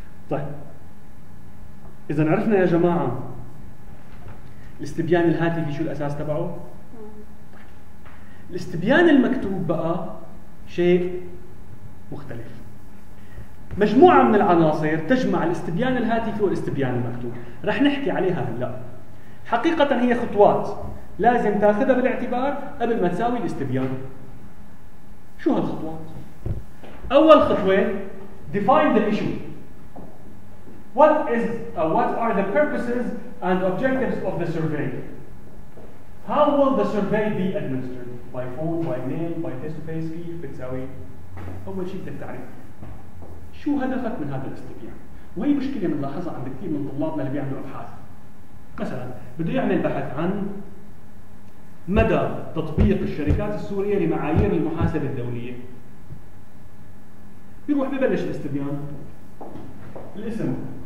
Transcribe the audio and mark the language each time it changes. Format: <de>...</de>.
<ar>طيب، إذا عرفنا يا جماعة الاستبيان الهاتفي شو الأساس تبعه؟ الاستبيان المكتوب بقى شيء مختلف، مجموعة من العناصر تجمع الاستبيان الهاتفي والاستبيان المكتوب، رح نحكي عليها هلأ. حقيقة هي خطوات لازم تأخذها بالاعتبار قبل ما تساوي الاستبيان. شو هالخطوات؟ أول خطوة</ar> <en>define the issue. What are the purposes and objectives of the survey? How will the survey be administered? By phone, by mail, by face-to-face,</en> <ar>كيف بتساوي؟ أول شيء بدك تعرف شو هدفك من هذا الاستبيان؟ وهي مشكلة بنلاحظها عند كثير من طلابنا اللي بيعملوا أبحاث. مثلاً بده يعمل بحث عن مدى تطبيق الشركات السورية لمعايير المحاسبة الدولية، بيروح ببلش الاستبيان، الاسم</ar>